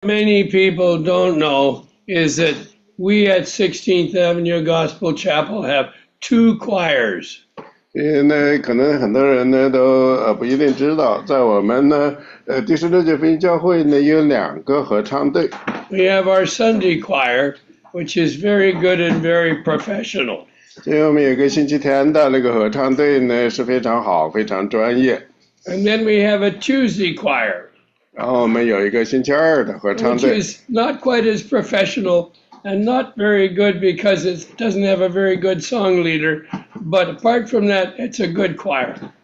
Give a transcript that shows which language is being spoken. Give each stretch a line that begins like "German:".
English: many people don't know is that we at 16th Avenue Gospel Chapel have two choirs.
Chinese: 因为呢，可能很多人呢都不一定知道，在我们呢，第十六届福音教会呢有两个合唱队。
English: We have our Sunday choir, which is very good and very professional.
Chinese: 所以我们有个星期天的那个合唱队呢是非常好，非常专业。
English: And then we have a Tuesday choir,
Chinese: 然后我们有一个星期二的合唱队。
English: Which is not quite as professional and not very good because it doesn't have a very good song leader. But apart from that, it's a good choir.